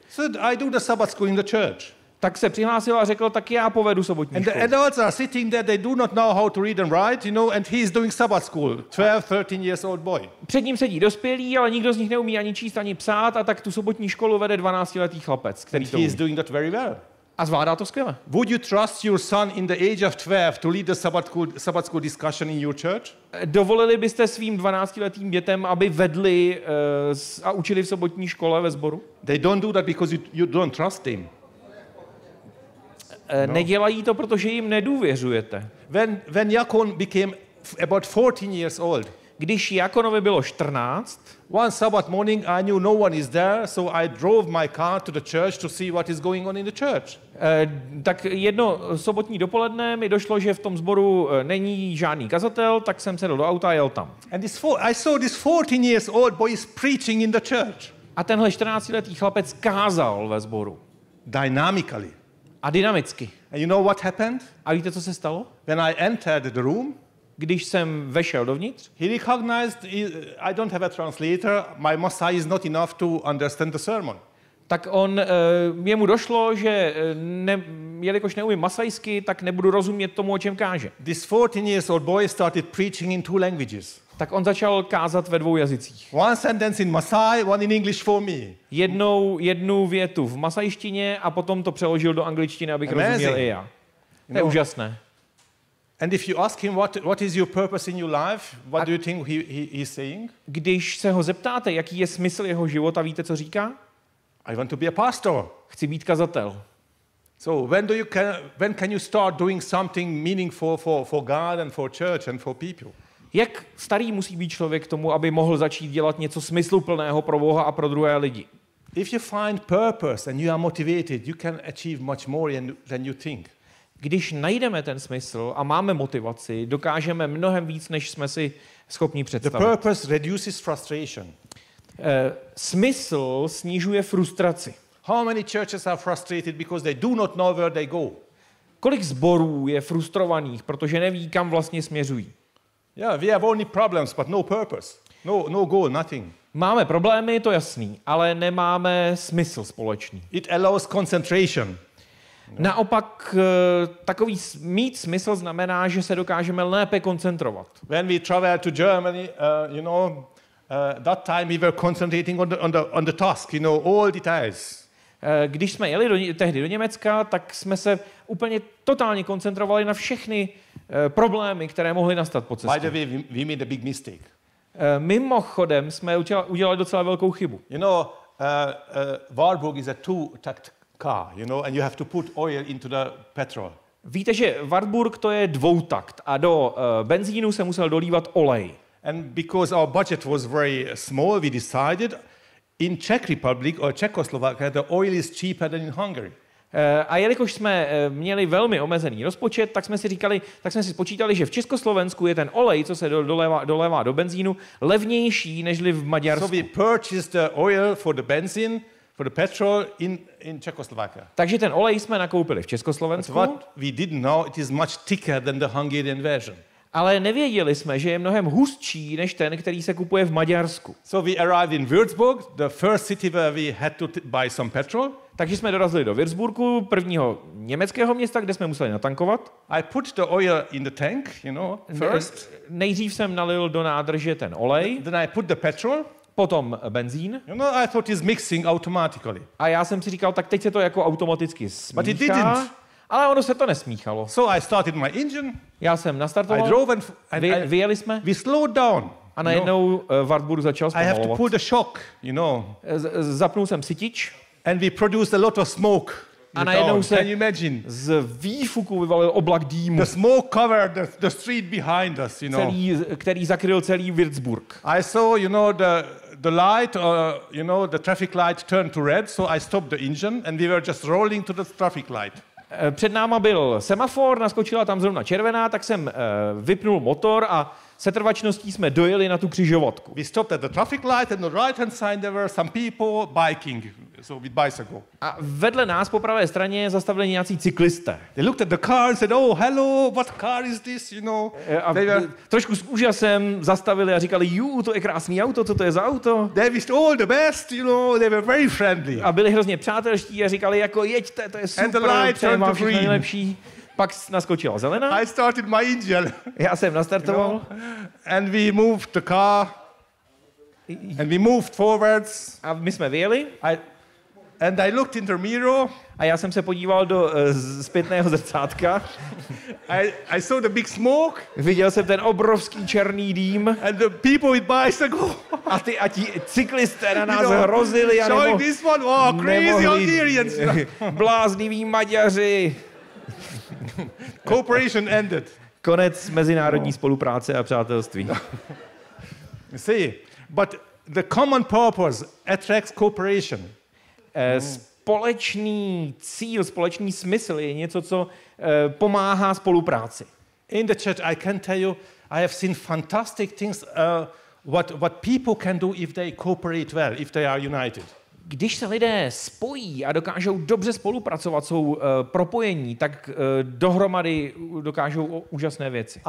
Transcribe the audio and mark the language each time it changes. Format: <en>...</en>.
<en>So I do the Sabbath school in the church.</en> <cs>Tak se přihlásil a řekl, tak já povedu sobotní školu.</cs> <en>And the adults are sitting there, they do not know how to read and write, you know, and he is doing Sabbath school. 12, 13 years old boy.</en> <cs>Před ním sedí dospělí, ale nikdo z nich neumí ani číst ani psát, a tak tu sobotní školu vede 12letý chlapec, který</cs> <en>to. He is doing that very well.</en> <cs>A zvládá to skvěle.</cs> <en>Would you trust your son in the age of 12 to lead the Sabbath school discussion in your church?</en> <cs>Dovolili byste svým 12letým dětem, aby vedli a učili v sobotní škole ve sboru?</cs> <en>They don't do that because you don't trust him. No.</en> <cs>Nedělají to, protože jim nedůvěřujete.</cs> <en>When Yakon became about 14 years old.</en> <cs>Když Yakonovi bylo 14,</cs> <en>one Sabbath morning I knew no one is there, so I drove my car to the church to see what is going on in the church.</en> <cs>Tak jedno sobotní dopoledne mi došlo, že v tom sboru není žádný kazatel, tak jsem sedl do auta a jel tam.</cs> <en>And this I saw this 14 years old boy is preaching in the church.</en> <cs>A tenhle 14letý chlapec kázal ve sboru.</cs> <en>Dynamically.</en> <cs>A dynamicky.</cs> <en>And you know what happened?</en> <cs>A víte, co se stalo?</cs> <en>When I entered the room,</en> <cs>když jsem vešel dovnitř,</cs> <en>he recognized I don't have a translator, my Maasai is not enough to understand the sermon.</en> <cs>Tak on jemu došlo, že jelikož neumím masajsky, tak nebudu rozumět tomu, o čem káže.</cs> <en>This 14 years old boy started preaching in 2 languages.</en> <cs>Tak on začal kázat ve 2 jazycích.</cs> <en>One sentence in Maasai, one in English for me.</en> <cs>Jednu větu v masajštině a potom to přeložil do angličtiny, abych rozuměl i já. To je úžasné.</cs> <en>And if you ask him what is your purpose in your life, what do you think he is saying?</en> <cs>Když se ho zeptáte, jaký je smysl jeho života, víte, co říká?</cs> <en>I want to be a pastor.</en> <cs>Chci být kazatel.</cs> <en>So when can you start doing something meaningful for God and for church and for people?</en> <cs>Jak starý musí být člověk k tomu, aby mohl začít dělat něco smysluplného pro Boha a pro druhé lidi?</cs> <en>If you find purpose and you are motivated, you can achieve much more than you think.</en> <cs>Když najdeme ten smysl a máme motivaci, dokážeme mnohem víc, než jsme si schopni představit.</cs> <en>The purpose reduces frustration.</en> <cs>Smysl snižuje frustraci.</cs> <en>How many churches are frustrated because they do not know where they go?</en> <cs>Kolik zborů je frustrovaných, protože neví, kam vlastně směřují?</cs> <en>Yeah, we have only problems, but no purpose. No goal, nothing.</en> <cs>Máme problémy, to jasný, ale nemáme smysl společný.</cs> <en>It allows concentration.</en> <cs>Naopak takový mít smysl znamená, že se dokážeme lépe koncentrovat.</cs> <en>When we traveled to Germany, you know, that time we were concentrating on the task, you know, all details.</en> <cs>Když jsme jeli tehdy do Německa, tak jsme se úplně totálně koncentrovali na všechny problémy, které mohly nastat po cestě.</cs> <en>By the way, we made a big mistake.</en> <cs>Mimochodem jsme udělali docela velkou chybu.</cs> <en>You know, Wartburg is a two-tact car, you know, and you have to put oil into the petrol.</en> <cs>Víte, že Wartburg to je dvoutakt a do benzínu se musel dolívat olej.</cs> <en>And because our budget was very small, we decided in Czech Republic or Czechoslovakia the oil is cheaper than in Hungary.</en> <cs>A jelikož jsme měli velmi omezený rozpočet, tak jsme si spočítali, že v Československu je ten olej, co se dolévá do benzínu, levnější nežli v Maďarsku.</cs> <en>So we purchased the oil for the benzine, for the petrol in Czechoslovakia.</en> <cs>Takže ten olej jsme nakoupili v Československu.</cs> <en>But we didn't know it is much thicker than the Hungarian version.</en> <cs>Ale nevěděli jsme, že je mnohem hustší než ten, který se kupuje v Maďarsku.</cs> <en>So we arrived in Würzburg, the first city where we had to buy some petrol.</en> <cs>Takže jsme dorazili do Würzburgu, prvního německého města, kde jsme museli natankovat.</cs> <en>I put the oil in the tank, you know, first.</en> <cs>Nejdřív jsem nalil do nádrže ten olej.</cs> <en>Then I put the petrol.</en> <cs>Potom benzín.</cs> <en>You know, I thought it's mixing automatically.</en> <cs>A já jsem si říkal, tak teď se to jako automaticky smíchá.</cs> <en>But it didn't.</en> <cs>Ale ono se to nesmíchalo.</cs> <en>So I started my engine.</en> <cs>Já jsem nastartoval.</cs> <en>I drove and</en> <cs>vyjeli jsme.</cs> <en>We slowed down.</en> <cs>A najednou Wartburg začal zpomalovat.</cs> <en>I have to pull the shock, you know.</en> <cs>Zapnul jsem sytič.</cs> <en>And we produced a lot of smoke.</en> <cs>A najednou se</cs> <en>can you imagine?</en> <cs>Z výfuku vyvalil oblak dýmu.</cs> <en>The smoke covered the street behind us, you know.</en> <cs>Který zakryl celý Würzburg.</cs> <en>I saw, you know, the light, you know, the traffic light turned to red, so I stopped the engine and we were just rolling to the traffic light.</en> <cs>Před náma byl semafor, naskočila tam zrovna červená, tak jsem vypnul motor a setrvačností jsme dojeli na tu křižovatku.</cs> <en>We stopped at the traffic light and on the right hand side there were some people biking, so with bicycle.</en> <cs>A vedle nás po pravé straně zastavili nějací cyklisté.</cs> <en>They looked at the car and said, oh, hello, what car is this, you know?</en> <cs>A trošku s úžasem zastavili a říkali, jú, to je krásný auto, co to je za auto?</cs> <en>They wished all the best, you know, they were very friendly.</en> <cs>A byli hrozně přátelští a říkali, jako jeďte, to je super,</cs> <en>and the light turned to green.</en> <cs>Nejlepší. Pak naskočila zelená.</cs> <en>I started my engine.</en> <cs>Já jsem nastartoval.</cs> <en>And we moved the car. And we moved forwards.</en> <cs>A my jsme vyjeli.</cs> <en>And I looked in the mirror.</en> <cs>A já jsem se podíval do zpětného zrcátka.</cs> <en>I saw the big smoke.</en> <cs>Viděl jsem ten obrovský černý dým.</cs> <en>And the people with bicycle.</en> <cs>A ty a ti cyklisté na nás,</cs> <en>you know,</en> <cs>hrozili.</cs> <en>Showing this one, oh, crazy Hungarians.</en> <cs>Blázniví Maďaři.</cs> <en>Cooperation ended.</en> <cs>Konec mezinárodní spolupráce a přátelství.</cs> <en>See, but the common purpose attracts cooperation.</en> <cs>Společný cíl, společný smysl je něco, co pomáhá spolupráci.</cs> <en>In the church, I can tell you, I have seen fantastic things what people can do if they cooperate well, if they are united.</en> <cs>Když se lidé spojí a dokážou dobře spolupracovat, jsou propojení, tak dohromady dokážou úžasné věci.</cs>